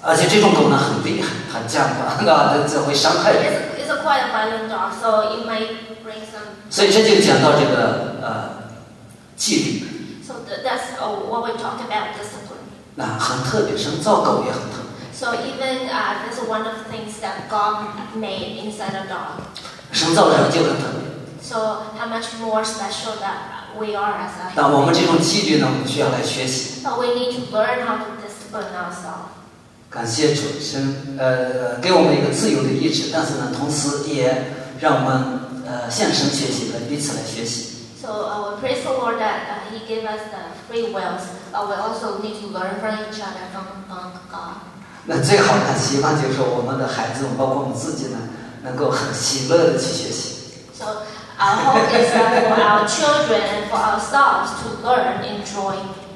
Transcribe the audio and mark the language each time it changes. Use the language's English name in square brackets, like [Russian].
[Chinese] 而且这种狗呢很厉害很犟的那这会伤害人。 [English] It's a quite violent dog, so it might bring some... [Chinese] 所以这就讲到这个纪律。 [English] So that's what we talked about discipline. [Chinese] 那很特别，神造狗也很特别。 [English] So even this is one of the things that God made inside a dog. [Chinese] 神造人就很特别。 [English] So how much more special that we are as a. [Chinese] 那我们这种纪律呢，我们需要来学习。 [English] But we need to learn how to discipline ourselves. [Chinese] 感谢主，神给我们一个自由的意志，但是呢，同时也让我们向神学习，来彼此来学习。 [English] So we praise the Lord that He gave us the free will, but we also need to learn from each other from God. [Chinese] 那最好的希望就是我们的孩子，包括我们自己呢，能够很喜乐的去学习。 [English] So our hope is that for our children and for ourselves to learn enjoying.